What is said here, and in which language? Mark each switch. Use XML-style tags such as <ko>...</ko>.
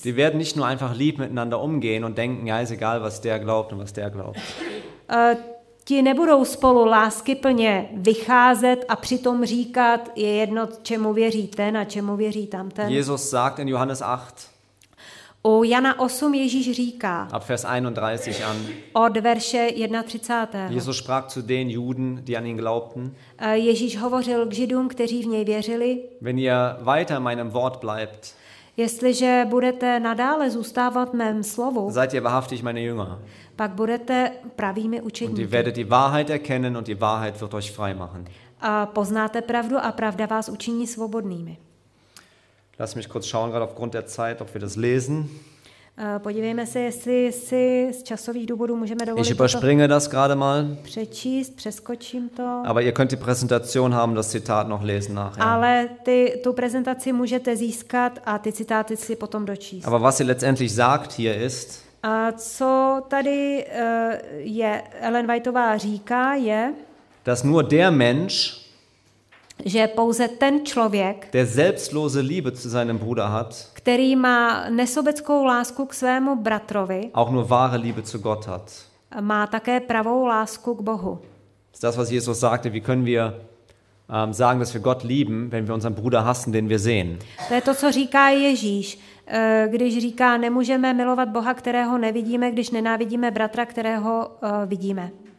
<de>Sie werden nicht nur einfach lieb miteinander umgehen und denken, ja, ist egal, was der glaubt und was der glaubt.</de> <cs>Ti nebudou spolu láskyplně vycházet a přitom říkat, je jedno, čemu věří ten a čemu věří tamten.</cs> <de>Jesus sagt in Johannes 8.</de> <cs>U Jana 8 Ježíš říká.</cs> <de>Ab Vers 31 an.</de> <cs>Od verše 31.</cs> <de>Jesus sprach zu den Juden, die an ihn glaubten.</de> <cs>Ježíš hovořil k Židům, kteří v něj věřili.</cs> <de>Wenn ihr weiter meinem Wort bleibt.</de> <cs>Jestliže budete nadále zůstávat mém slovu.</cs> <de>Seid ihr wahrhaftig meine Jünger.</de> <cs>Pak budete pravými učeníky.</cs> <de>Und ihr werdet die Wahrheit erkennen und die Wahrheit wird euch frei machen.</de> <cs>A poznáte pravdu a pravda vás učiní svobodnými.</cs> <de>Lass mich kurz schauen, gerade aufgrund der Zeit, ob wir das lesen.</de> <cs>Podívejme se, jestli si z časových důvodů můžeme dovolit.</cs> <de>Ich überspringe das gerade mal.</de> <cs>Přečíst, přeskočím to.</cs> <de>Aber ihr könnt die Präsentation haben, das Zitat noch lesen nachher.</de> <cs>Ale tu prezentaci můžete získat a ty citáty si potom dočíst.</cs> <de>Aber was sie letztendlich sagt hier ist.</de> <cs>A co tady je Ellen Whiteová říká je,</cs> <de>dass nur der Mensch,</de> <cs>že pouze ten člověk,</cs> <de>der selbstlose Liebe zu seinem Bruder hat,</de> <cs>který má nesobeckou lásku k svému bratrovi,</cs> <de>auch nur wahre Liebe zu Gott hat,</de> <cs>má také pravou lásku k Bohu.</cs> <de>Das, was Jesus sagte, wie können wir sagen, dass wir Gott lieben, wenn wir unseren Bruder hassen, den wir sehen.</de> <cs>To je to, co říká Ježíš, když říká, nemůžeme milovat Boha, kterého nevidíme, když nenávidíme bratra, kterého vidíme.</cs>